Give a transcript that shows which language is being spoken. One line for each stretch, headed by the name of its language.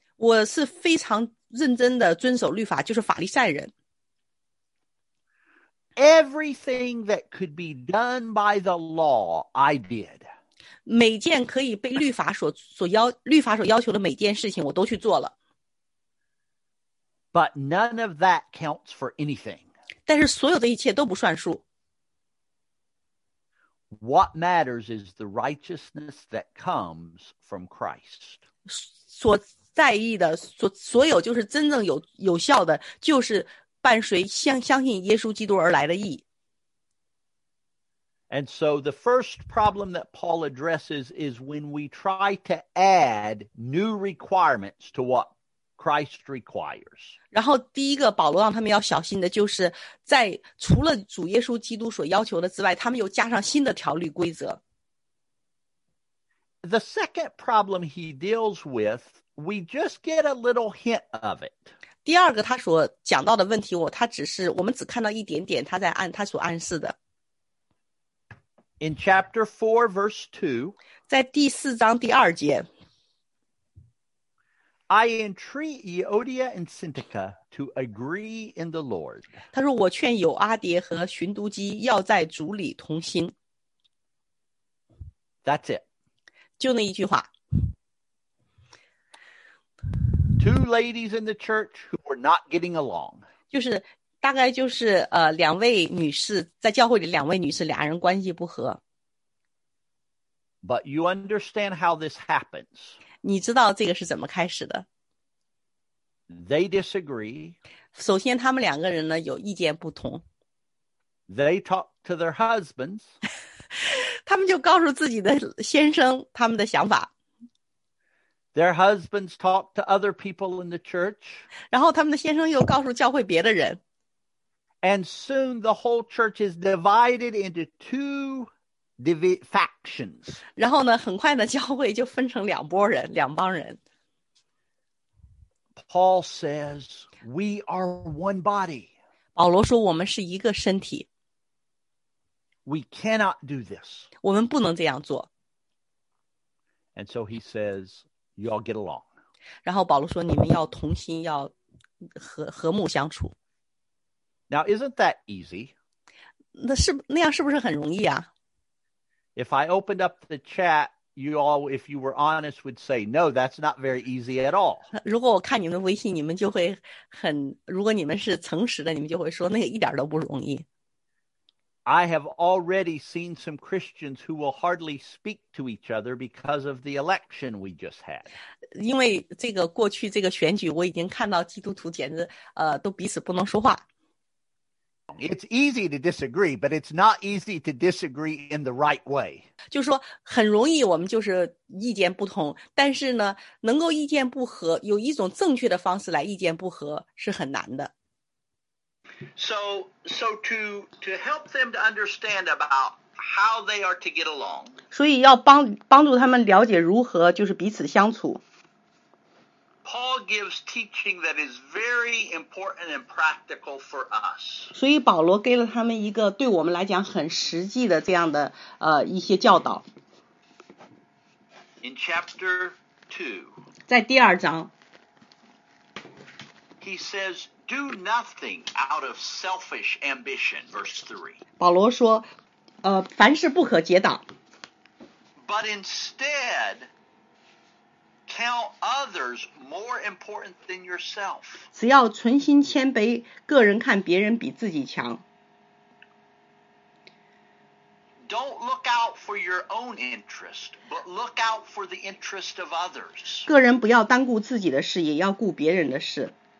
Chinese: 我是非常认真的遵守律法，就是法利赛人。
English: Everything that could be done by the law, I did.
Chinese: 每件可以被律法所要求的每件事情，我都去做了。
English: But none of that counts for anything.
Chinese: 但是所有的一切都不算数。
English: What matters is the righteousness that comes from Christ.
Chinese: 所在意的 所有就是真正 有效的就是伴随 相信耶稣基督而来的义。
English: And so the first problem that Paul addresses is when we try to add new requirements to what Christ requires.
Chinese: 然后第一个保罗让他们要小心的就是在除了主耶稣基督所要求的之外，他们又加上新的条律规则。
English: The second problem he deals with, we just get a little hint of it.
Chinese: 第二个他所讲到的问题，我们只看到一点点他所暗示的。
English: In chapter 4, verse 2,
Chinese: 在第四章第二节。
English: I entreat Euodia and Syntyche to agree in the Lord.
Chinese: 他说我劝有阿蝶和寻都基要在主里同心。
English: That's it.
Chinese: 就那一句话。
English: Two ladies in the church who were not getting along.
Chinese: 就是大概就是两位女士在教会里，两位女士俩人关系不和。
English: But you understand how this happens.
Chinese: 你知道这个是怎么开始的？
English: They disagree.
Chinese: 首先他们两个人呢有意见不同。
English: They talk to their husbands.
Chinese: 他们就告诉自己的先生他们的想法。
English: Their husbands talk to other people in the church.
Chinese: 然后他们的先生又告诉教会别的人。
English: And soon the whole church is divided into two factions.
Chinese: 然后呢，很快呢，教会就分成两拨人，两帮人。
English: Paul says, "We are one body."
Chinese: 保罗说，我们是一个身体。
English: We cannot do this.
Chinese: 我们不能这样做。
English: And so he says, "You all get along."
Chinese: 然后保罗说，你们要同心，要和睦相处。
English: Now, isn't that easy?
Chinese: 那样是不是很容易啊？
English: If I opened up the chat, you all, if you were honest, would say, no, that's not very easy at all.
Chinese: 如果我看你们微信，你们就会很，如果你们是诚实的，你们就会说那个一点都不容易。
English: I have already seen some Christians who will hardly speak to each other because of the election we just had.
Chinese: 因为这个过去这个选举，我已经看到基督徒简直都彼此不能说话。
English: It's easy to disagree, but it's not easy to disagree in the right way.
Chinese: 就说很容易，我们就是意见不同，但是呢，能够意见不合，有一种正确的方式来意见不合是很难的。
English: So to help them to understand about how they are to get along.
Chinese: 所以要帮助他们了解如何就是彼此相处。
English: Paul gives teaching that is very important and practical for us.
Chinese: 所以保罗给了他们一个对我们来讲很实际的这样的一些教导。
English: In chapter 2.
Chinese: 在第二章。
English: He says, do nothing out of selfish ambition, verse 3.
Chinese: 保罗说凡事不可结党。
English: But instead,count others more important than yourself.
Chinese: 只要存心谦卑，个人看别人比自己强。
English: Don't look out for your own interest, but look out for the interest of others.
Chinese: 个人不要单顾自己的事，也要顾别人的事。